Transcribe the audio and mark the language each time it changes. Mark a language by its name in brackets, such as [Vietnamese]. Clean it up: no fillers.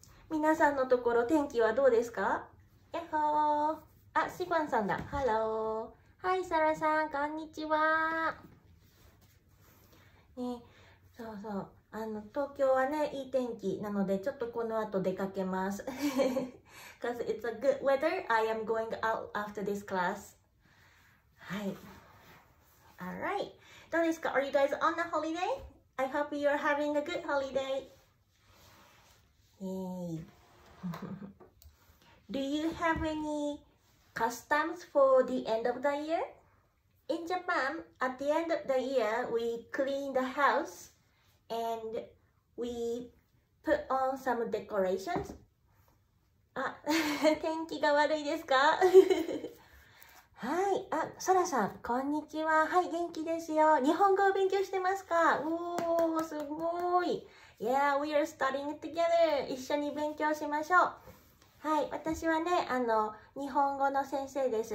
[Japanese] 皆さんのところ天気はどうですか？やっほー。あ、シファンさんだ。ハロー。はい、サラさん、こんにちは。ね、そうそう。東京はね、いい天気なので、ちょっとこの後出かけます。 [English] Because it's a good weather, I am going out after this class. [Japanese] はい。 [English] Alright. [Japanese] どうですか？ [English] Are you guys on a holiday? I hope you're having a good holiday. Do you have any customs for the end of the year? In Japan, at the end of the year, we clean the house and we put on some decorations. [Japanese] あ、天気が悪いですか？はい、あ、サラさん、こんにちは。はい、元気ですよ。日本語を勉強してますか？おー、すごい。 [English] Yeah, we are studying together. [Japanese] 一緒に勉強しましょう。はい、私はね、日本語の先生です。